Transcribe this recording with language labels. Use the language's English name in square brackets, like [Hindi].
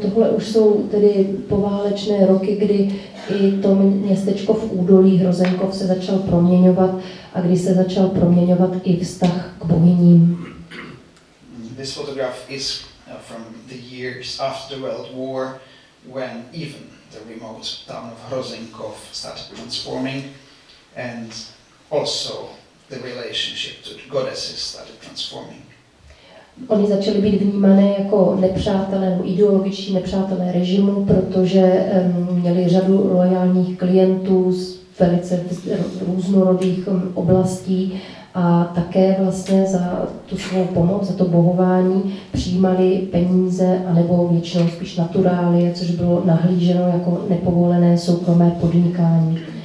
[Czech] Tohle už jsou tedy poválečné roky, kdy i to městečko v údolí Hrozenkov se začal proměňovat a kdy se začal proměňovat i vztah k bohyním. [English] This photograph is from the years after the World War, when even the remote town of Hrozenkov started transforming, and also the relationship to the goddesses started transforming. [Czech] Oni začali být vnímané jako nepřátelé nebo ideologičtí nepřátelé režimu, protože měli řadu loajálních klientů z velice různorodých oblastí a také vlastně za tu svou pomoc, za to bohování přijímali peníze anebo většinou spíš naturálie, což bylo nahlíženo jako nepovolené soukromé podnikání.